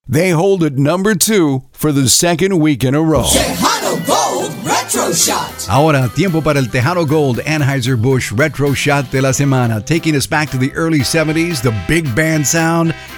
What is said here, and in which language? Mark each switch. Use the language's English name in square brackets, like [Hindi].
[English] They hold it number 2 for the second week in a row. Tejano Gold Retro Shot. [Spanish] Ahora, tiempo para el Tejano Gold Anheuser-Busch Retro Shot de la Semana. [English] Taking us back to the early 70s, the big band sound.